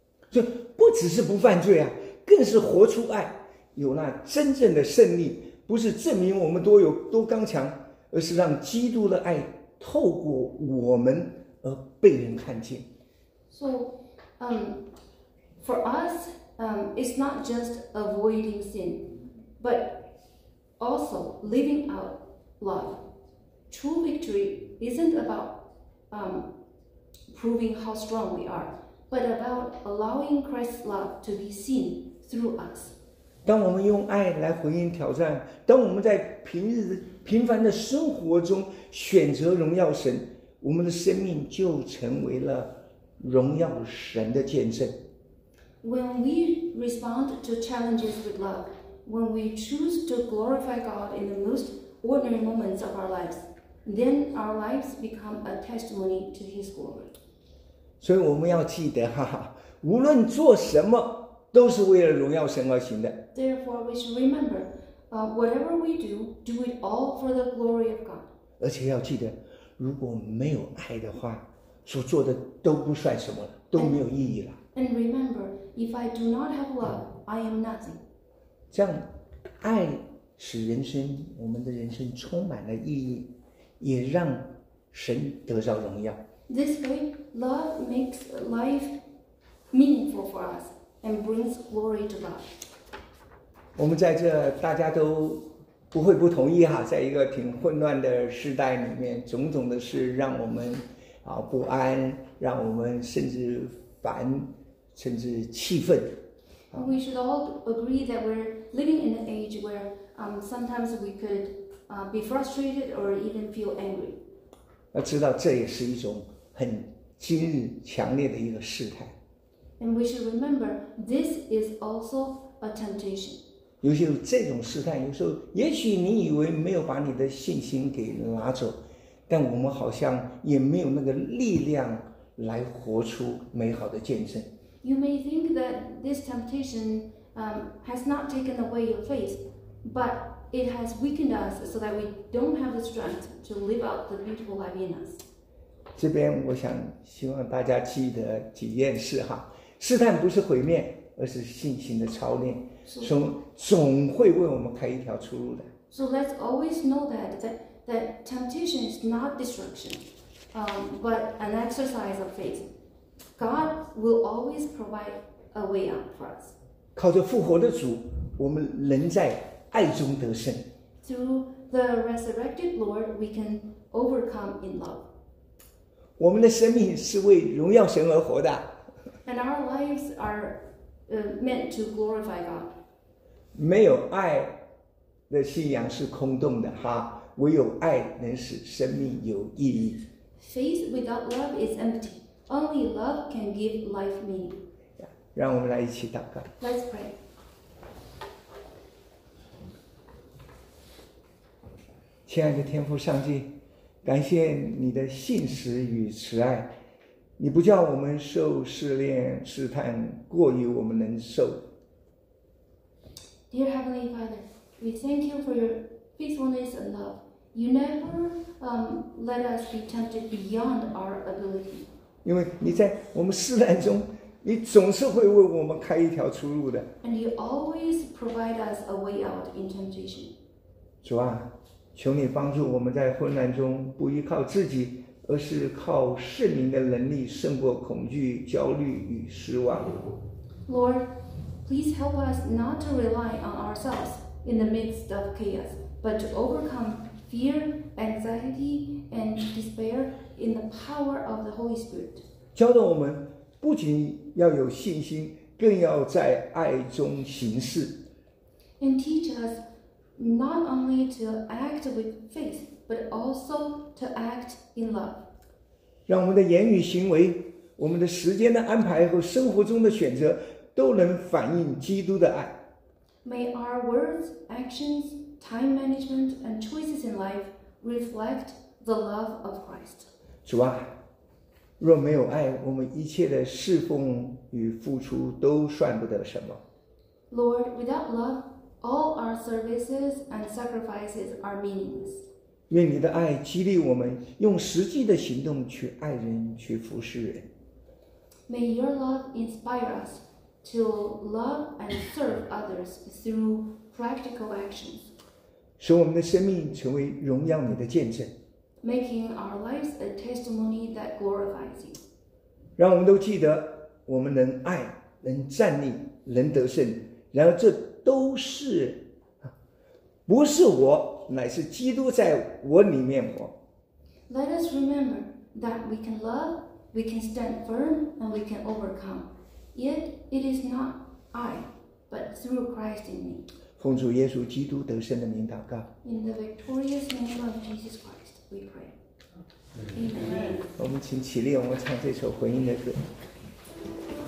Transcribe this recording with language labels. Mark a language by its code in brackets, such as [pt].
[zh] 就不只是不犯罪啊，更是活出爱，有那真正的胜利，不是证明我们多有多刚强，而是让基督的爱透过我们而被人看见。 [en] So, for us, it's not just avoiding sin, but also living out love. True victory isn't about proving how strong we are, but about allowing Christ's love to be seen through us. [zh] 当我们用爱来回应挑战，当我们在平日平凡的生活中选择荣耀神，我们的生命就成为了荣耀神的见证。 [en] When we respond to challenges with love, when we choose to glorify God in the most ordinary moments of our lives, then our lives become a testimony to His glory. [zh] 所以我们要记得哈，无论做什么，都是为了荣耀神而行的。 [en] Therefore, we should remember. Whatever we do, do it all for the glory of God. [zh] 而且要记得，如果没有爱的话，所做的都不算什么，都没有意义了。 [en] And remember, if I do not have love, I am nothing. [zh] 这样，爱使人生，我们的人生充满了意义，也让神得着荣耀。 [en] This way, love makes life meaningful for us and brings glory to God. [zh] 我们在这大家都不会不同意哈，在一个挺混乱的时代里面，种种的事让我们不安，让我们甚至烦，甚至气愤。 [en] We should all agree that we're living in an age where sometimes we could be frustrated or even feel angry. [zh] 要知道这也是一种很今日强烈的一个事态。 [en] And we should remember this is also a temptation. [zh] 有些这种试探，有时候也许你以为没有把你的信心给拿走，但我们好像也没有那个力量来活出美好的见证。 [en] You may think that this temptation has not taken away your faith, but it has weakened us so that we don't have the strength to live out the beautiful life in us. [zh] 这边我想希望大家记得几件事哈，试探不是毁灭，而是信心的操练，总总会为我们开一条出路的。 [en] So let's always know that temptation is not destruction, but an exercise of faith. God will always provide a way out for us. [zh] 靠着复活的主，我们仍在爱中得胜。 [en] Through the resurrected Lord, we can overcome in love. [zh] 我们的生命是为荣耀神而活的。 [en] And our lives are meant to glorify God. [zh] 没有爱的信仰是空洞的哈，唯有爱能使生命有意义。 [en] Faith without love is empty. Only love can give life meaning. [zh] 让我们来一起祷告。 [en] Let's pray. [zh] 亲爱的天父上帝，感谢你的信实与慈爱。你不叫我们受试炼试探过于我们能受。 [en] Dear Heavenly Father, we thank you for your faithfulness and love. You never let us be tempted beyond our ability. [zh] 因为你在我们试炼中，你总是会为我们开一条出路的。 [en] And you always provide us a way out in temptation. [zh] 主啊，求你帮助我们在困难中不依靠自己，而是靠圣灵的能力胜过恐惧、焦虑与失望。 [en] Lord, please help us not to rely on ourselves in the midst of chaos, but to overcome fear, anxiety, and despair in the power of the Holy Spirit. [zh] 教导我们不仅要有信心，更要在爱中行事。 [en] And teach us not only to act with faith. But also to act in love. [zh] 让我们的言语行为，我们的时间的安排和生活中的选择，都能反映基督的爱。 [en] May our words, actions, time management, and choices in life reflect the love of Christ. [zh] 主啊，若没有爱，我们一切的侍奉与付出都算不得什么。 [en] Lord, without love, all our services and sacrifices are meaningless. [zh] 愿你的爱激励我们用实际的行动去爱人，去服侍人。 [en] May your love inspire us to love and serve others through practical actions. [zh] 使我们的生命成为荣耀你的见证。 [en] Making our lives a testimony that glorifies you. [zh] 让我们都记得，我们能爱，能站立，能得胜。然而这都是，不是我。乃是基督在我里面活。 [en] Let us remember that we can love, we can stand firm, and we can overcome. Yet it is not I, but through Christ in me. [zh] 奉主耶稣基督得胜的名祷告。 [en] In the victorious name of Jesus Christ, we pray. Amen. [zh] 我们请起立，我们唱这首回应的歌。